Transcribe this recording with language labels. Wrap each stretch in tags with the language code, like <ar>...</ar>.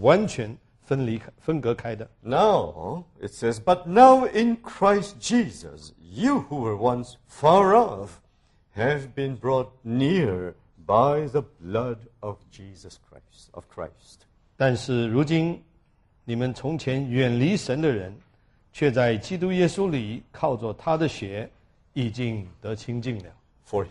<zh>所以在旧约,一方面你有以色列人,一方面你有所有其他的外邦人,是完全分隔开的。</zh> <en>Now, it says, but now in Christ Jesus, you who were once far off, have been brought near by the blood of Jesus Christ, of Christ.</en> <zh>但是如今,你们从前远离神的人,却在基督耶稣里靠着他的血已经得清净了。</zh> <en>For</en>